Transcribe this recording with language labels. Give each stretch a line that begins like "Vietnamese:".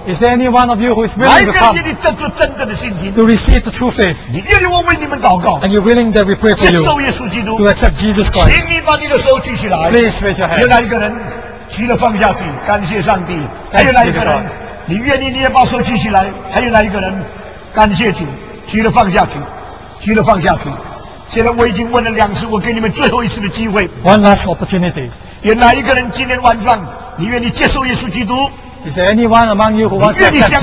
English: Is there any one of you who is willing to come?
Chinese: 哪一个人愿意做真正的信心？
English: To receive the true faith.
Chinese: 你愿意我为你们祷告？
English: And you're willing that we pray for you?
Chinese: 接受耶稣基督。
English: To accept Jesus Christ.
Chinese: 请你把你的手举起来。
English: Please raise your hand.
Chinese: 有哪一个人举了放下去？感谢上帝。还有哪一个人？你愿意你也把手举起来。还有哪一个人？感谢主，举了放下去，举了放下去。现在我已经问了两次，我给你们最后一次的机会。
English: One last opportunity.
Chinese: 有哪一个人今天晚上你愿意接受耶稣基督？
English: Is there anyone among you who wants to accept Jesus?